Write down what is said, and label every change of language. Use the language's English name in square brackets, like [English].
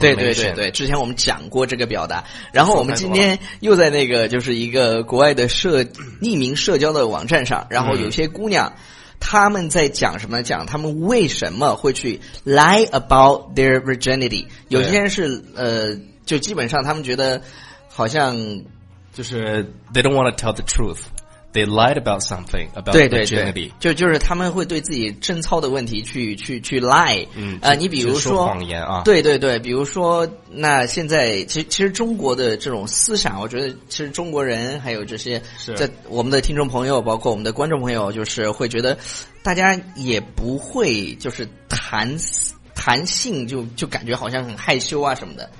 [Chinese] 对对对对，之前我们讲过这个表达，然后我们今天又在那个就是一个国外的匿名社交的网站上，然后有些姑娘、嗯，他们在讲什么？讲他们为什么会去 [English] lie about their virginity。 [Chinese] 有些人是就基本上他们觉得好像 [English] 就是 they don't want to tell the truth， they lied about something about virginity。 [Chinese] 对对对，就是他们会对自己贞操的问题去 lie。嗯，你比如说谎言啊，对对对，比如说那现在其实中国的这种思想，我觉得其实中国人还有这些在我们的听众朋友，包括我们的观众朋友，就是会觉得大家也不会就是谈性就感觉好像很害羞啊什么的。